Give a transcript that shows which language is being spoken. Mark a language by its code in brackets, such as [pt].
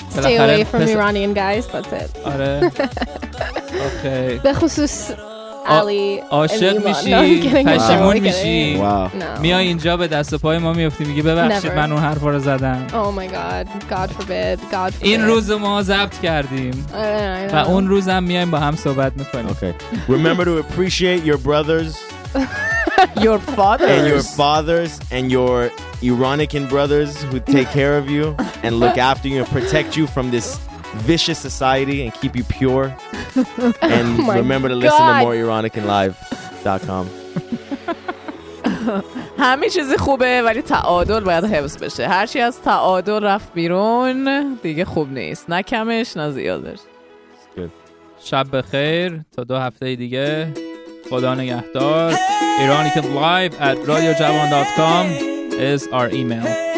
[en] Stay away from Iranian guys, that's it. [fa] آره به خصوص علی عاشق میشی پشیمون میشی میای اینجا به دست و پای ما میفتی میگی ببخشید من اون حرفا رو زدم [en] oh my god, god forbid, god forbid [fa] این روز ما ضبط کردیم و اون روز هم میایم با هم صحبت میکنیم [en] okay. Remember to appreciate your brothers your fathers and your fathers and your Iranian brothers who take care of you and look after you and protect you from this vicious society and keep you pure and oh remember to God. Listen to more iranicanlive.com [fa] همه چیز خوبه ولی تعادل باید حفظ بشه هر چی از تعادل رفت بیرون دیگه خوب نیست نه کمش نه زیادش شب بخیر تا دو هفته دیگه خدا نگهدار iranicanlive@radiojavan.com [en] is our email